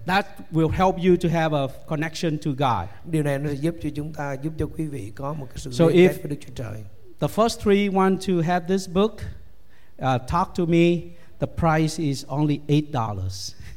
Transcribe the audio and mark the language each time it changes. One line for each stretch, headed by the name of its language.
English: That will help you to have a connection to God.
Vietnamese: Điều này nó sẽ giúp cho chúng ta giúp cho quý vị có một cái sự liên kết với Đức Chúa Trời.
English: The first three want to have this book, talk to me. The price is only $8.